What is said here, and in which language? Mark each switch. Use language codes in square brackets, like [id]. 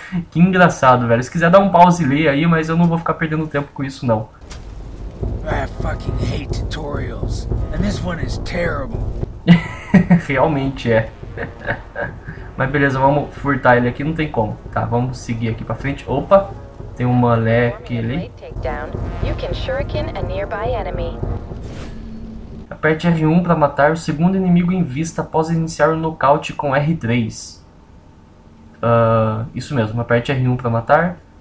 [pt] Que engraçado, velho. Se quiser dar um pause e ler aí, mas eu não vou ficar perdendo tempo com isso, não. [en] I fucking hate tutorials. And this one is terrible. [pt] Realmente é. Mas beleza, vamos furtar ele aqui, não tem como. Tá, vamos seguir aqui pra frente. Opa, tem um moleque ali. [en] You can shuriken a nearby enemy. [pt] Aperte R1 pra matar o segundo inimigo em vista após iniciar o nocaute com R3. Isso mesmo, aperte R1 pra matar.